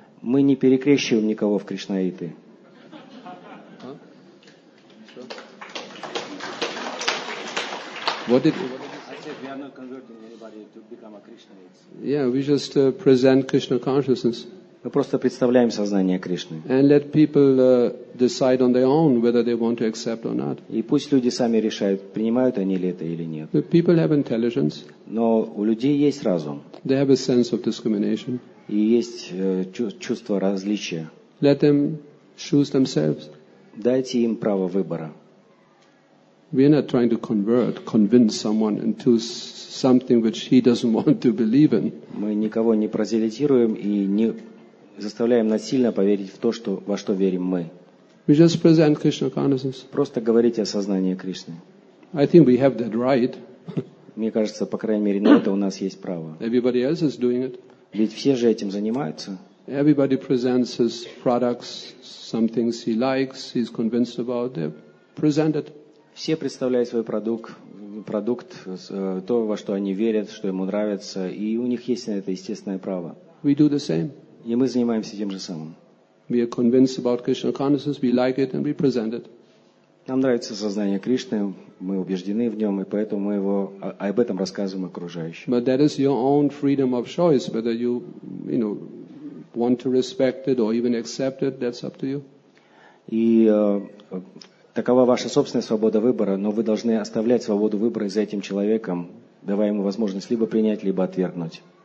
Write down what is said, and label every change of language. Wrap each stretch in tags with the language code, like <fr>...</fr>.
<ru>Мы не перекрещиваем никого в кришнаиты.</ru> <en>I said we are not converting anybody to become a Krishnaite. Yeah, we just present Krishna consciousness.</en> <ru>Мы просто представляем сознание Кришны.</ru> <en>And let people decide on their own whether they want to accept or not.</en> <ru>И пусть люди сами решают, принимают они ли это или нет.</ru> <en>But people have intelligence.</en> <ru>Но у людей есть разум.</ru> <en>They have a sense of discrimination.</en> <ru>И есть чувство различия.</ru> <en>Let them choose themselves.</en> <ru>Дайте им право выбора.</ru> <en>We are not trying to convince someone into something which he doesn't want to believe in.</en> <ru>Мы никого не прозелитируем и не заставляем насильно поверить в то, что, во что верим мы.</ru> <en>We just present Krishna consciousness.</en> <ru>Просто говорить о сознании Кришны.</ru> <en>I think we have that right.</en> <ru>Мне кажется, по крайней мере, на это у нас есть право.</ru> <en>Everybody else is doing it.</en> <ru>Ведь все же этим занимаются.</ru> <en>Everybody presents his products, some things he likes, he's convinced about, they present it.</en> <ru>Все представляют свой продукт, то, во что они верят, что ему нравится, и у них есть на это естественное право.</ru> <en>We do the same.</en> <ru>И мы занимаемся тем же самым.</ru> <en>We are convinced about Krishna consciousness, we like it and we present it.</en> <ru>Нам нравится сознание Кришны, мы убеждены в нем, и поэтому мы его об этом рассказываем окружающим.</ru> <en>But that is your own freedom of choice, whether you, you know, want to respect it or even accept it, that's up to you.</en> <ru>И такова ваша собственная свобода выбора, но вы должны оставлять свободу выбора за этим человеком, давая ему возможность либо принять, либо отвергнуть.</ru>